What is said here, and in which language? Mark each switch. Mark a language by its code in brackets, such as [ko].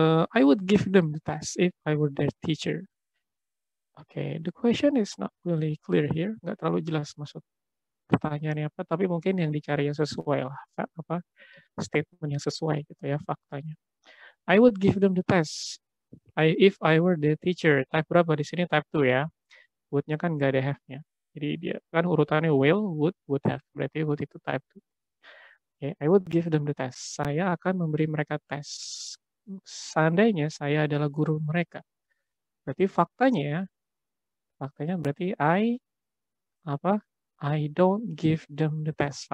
[en] I would give them the test if I were their teacher. Oke, okay. The question is not really clear here. [id] Nggak terlalu jelas maksud. pertanyaannya apa, tapi mungkin yang dicari yang sesuai lah, apa statement yang sesuai gitu ya, faktanya. [en] I would give them the test. If I were the teacher, [id] type berapa di sini? Type 2 ya. Would-nya kan nggak ada have-nya. Jadi dia kan urutannya will, would have. Berarti would itu type 2. Okay. [en] I would give them the test. [id] Saya akan memberi mereka tes. Seandainya saya adalah guru mereka. Berarti faktanya ya. Faktanya berarti [en] I don't give them the test.